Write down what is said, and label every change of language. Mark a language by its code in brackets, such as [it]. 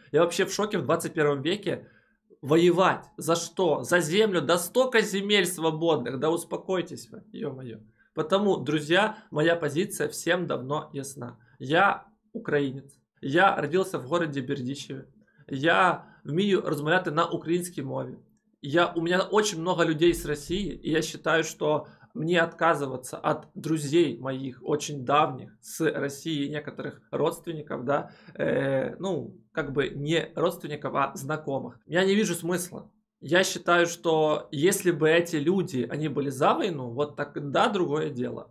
[ru] Я вообще в шоке, в 21 веке воевать. За что? За землю? Да столько земель свободных, да успокойтесь вы, ё-моё. Потому, друзья, моя позиция всем давно ясна. Я украинец. Я родился в городе Бердичеве. [uk] Я вмію розмовляти на українській мові. [ru] У меня очень много людей с России. И я считаю, что мне отказываться от друзей моих, очень давних, с России, некоторых родственников, да, ну, как бы не родственников, а знакомых. Я не вижу смысла. Я считаю, что если бы эти люди, они были за войну, вот тогда другое дело.